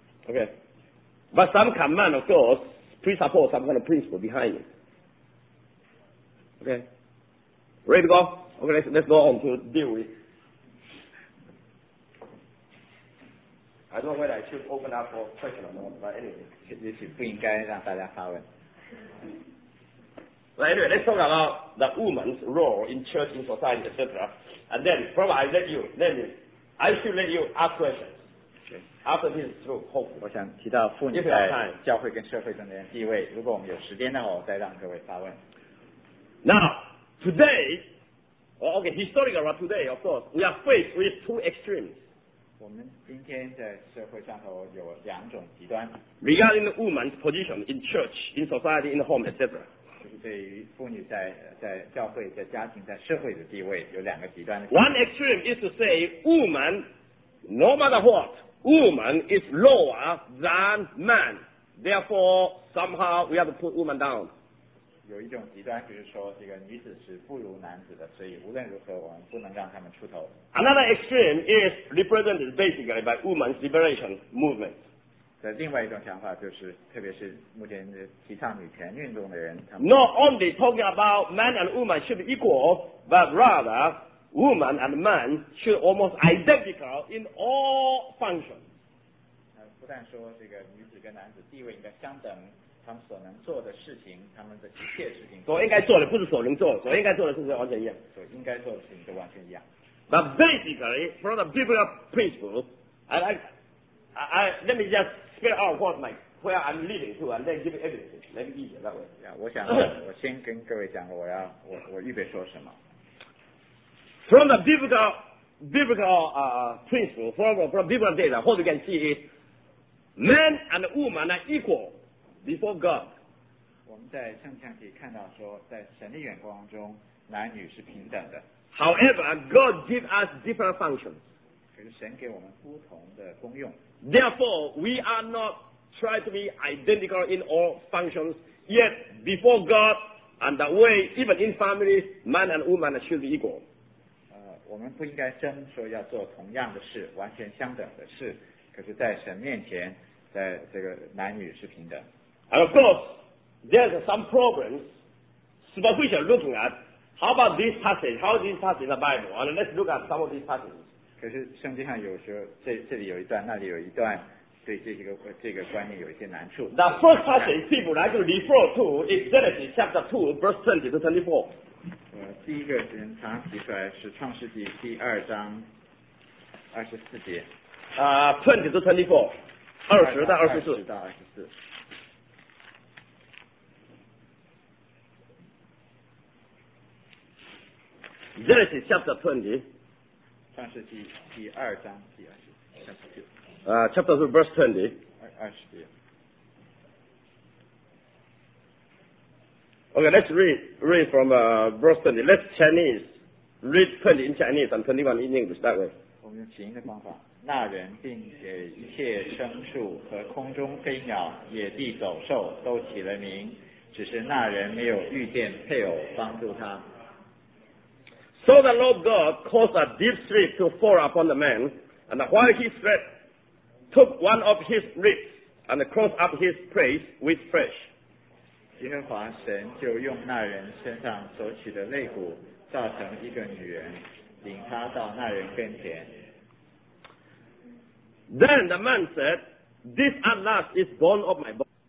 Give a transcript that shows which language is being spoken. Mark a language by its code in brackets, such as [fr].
[en] Okay. But some command, of course, presuppose some kind of principle behind it. Okay? Ready to go? Okay, let's go on to deal with. I don't know whether I should open up for question or not, but anyway. [zh] 也许不应该让大家发问。 [en] But anyway, let's talk about the woman's role in church, in society, etc. And then, probably I should let you ask questions. After this is through, hope. [zh] 我想提到妇女在教会跟社会中的地位。如果我们有时间的话，我再让各位发问。 [en] Now, today, well, okay, historically, but today, of course, we are faced with two extremes. [zh] 我们今天在社会上头有两种极端。 [en] Regarding the woman's position in church, in society, in the home, etc. [zh] 就是对于妇女在教会、在家庭、在社会的地位，有两个极端的。 [en] One extreme is to say, woman, no matter what. Woman is lower than man. Therefore, somehow we have to put woman down. [zh] 有一种极端就是说，这个女子是不如男子的，所以无论如何我们不能让她们出头。 [en] Another extreme is represented basically by women's liberation movement. [zh] 在另外一种想法就是，特别是目前提倡女权运动的人，他们 [en] not only talking about man and woman should be equal, but rather. Woman and man should almost identical in all functions. [zh] 不但说这个女子跟男子地位应该相等，他们所能做的事情，他们的一切事情，所应该做的不是所能做，所应该做的事情完全一样。所应该做的事情都完全一样。 [en] But basically, from the biblical principle, I let me just spell out what my where I'm leading to, and then give evidence. Let me be that way. [zh] Yeah, 我想我先跟各位讲，我预备说什么。 [en] From the biblical principle, from biblical data, what you can see is, man and woman are equal before God. [zh] 我们在圣经可以看到说，在神的眼光中，男女是平等的。 [en] However, God gives us different functions. [zh] 可是神给我们不同的功用。 [en] Therefore, we are not trying to be identical in all functions, yet before God, and that way, even in families, man and woman should be equal. [zh] 我们不应该争说要做同样的事，完全相等的事。可是，在神面前，在这个男女是平等。 [en] And of course, there's some problems. Superficially looking at, how about this passage? How is this passage in the Bible? And let's look at some of these passages. [zh] 可是圣经上有时候这里有一段，那里有一段，对这个观念有一些难处。 [en] The first passage people like to refer to is Genesis chapter 2, verse 20 to 24. [zh] 第一个人常提出来是创世纪第二章二十四节。 [en] 20 to 24, 20到24。20 [zh] 到24。 [en] Genesis chapter 20. [zh] 创世纪第二章第二十 [en] 九。Chapter 2 verse 20. [zh] 二十九。 [en] Okay, let's read from verse 20. Let's Chinese. Read 20 in Chinese and 21 in English that way. [zh] 我们用谐音的方法。那人并且一切牲畜和空中飞鸟、野地走兽都起了名，只是那人没有遇见配偶帮助他。 [en] So the Lord God caused a deep sleep to fall upon the man, and while he slept, took one of his ribs and closed up his place with flesh. [zh] 耶和华神就用那人身上所起的肋骨造成一个女人，领他到那人跟前。 [en] Then the man said, This at last is bone of my